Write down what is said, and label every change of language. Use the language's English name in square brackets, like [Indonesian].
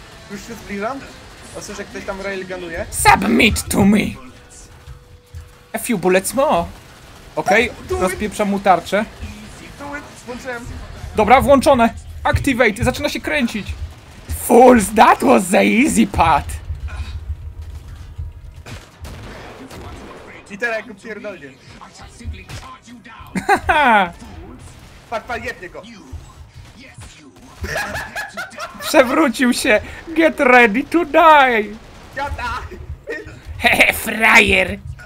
[Polish] Już się zbliżam? O, słyszę, ktoś tam railgunuje. [English] Submit to me! A few bullets more. [Polish] Okej, okay, rozpieprzam mu tarczę. [English] Do it, [Polish] włączyłem. Dobra, włączone. Activate, zaczyna się kręcić. [English] Fools, that was the easy part. [Polish] I teraz jak go pierdolnie. Pan jednie go. Przewrócił się. [English] Get ready to die. [Polish] Jada. Hehe, frajer.